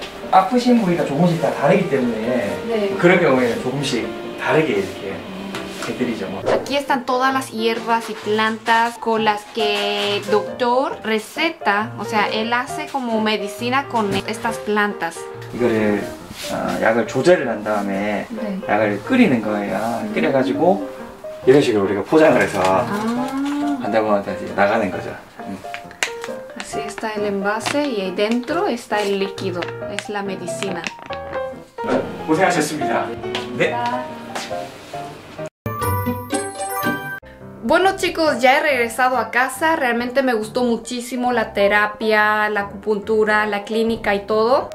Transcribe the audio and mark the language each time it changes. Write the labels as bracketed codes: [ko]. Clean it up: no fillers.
[ko] 아프신 부위가 조금씩 다 다르기 때문에 네. 그런 경우에는 조금씩 다르게 이렇게 해드리죠. [es] Aquí están todas las hierbas y plantas con las que doctor receta, o sea, él hace como medicina con estas plantas. [ko] 이거를 약을 조절을 한 다음에 네. 약을 끓이는 거예요. 끓여가지고 이런 식으로 우리가 포장을 해서 한다고 하면 이제 나가는 거죠. [es] Sí, está el envase y ahí dentro está el líquido, es la medicina. [ko] 고생하셨습니다. 네. [es] Bueno chicos, ya he regresado a casa. Realmente me gustó muchísimo la terapia, la acupuntura, la clínica y todo.